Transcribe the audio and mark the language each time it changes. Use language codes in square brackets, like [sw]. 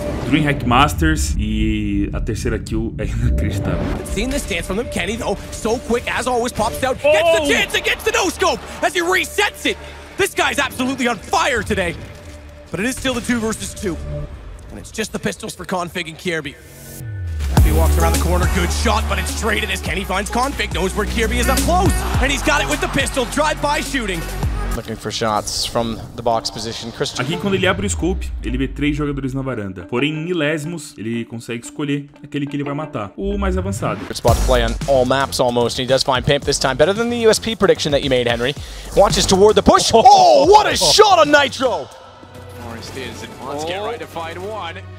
[pt] DreamHack Masters e a terceira kill é inacreditável. [en] Seen this dance from them, Kenny though, so quick as always pops out, gets the chance against the no scope as he resets it. This guy's absolutely on fire today. But it is still the 2v2. And it's just the pistols for Config and Kirby. Kirby walks around the corner, good shot, but it's traded as Kenny finds Config, knows where Kirby is up close, and he's got it with the pistol, drive-by shooting. Looking for shots from the box position. Christian. [pt] Aqui quando ele abre o scope, ele vê 3 jogadores na varanda. Porém, em milésimos, ele consegue escolher aquele que ele vai matar. O mais avançado. [en] Spot play on all maps almost. He does find Pimp this time. Better than the USP prediction that you made, Henry. Watches toward the push. Oh, what a shot on Nitro! Forrest is and wants to get right to find one.